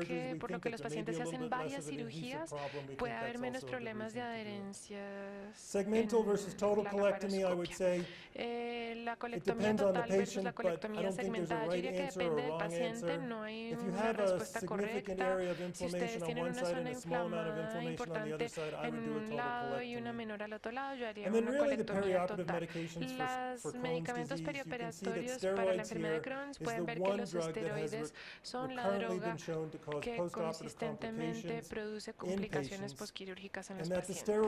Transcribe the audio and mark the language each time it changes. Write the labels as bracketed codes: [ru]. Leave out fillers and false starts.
[es] que por lo que los pacientes hacen varias cirugías, puede haber menos problemas de adherencia. [en] Segmental versus total colectomy, I would say. [es] La colectomía total versus la colectomía segmentada. Yo diría que depende del paciente, no hay una respuesta correcta. Si ustedes tienen una zona inflamada importante en un lado y una menor al otro lado, yo haría una colectomía total. Los medicamentos perioperatorios para la enfermedad de Crohn, pueden ver que los esteroides son la droga que consistentemente produce complicaciones posquirúrgicas en los pacientes.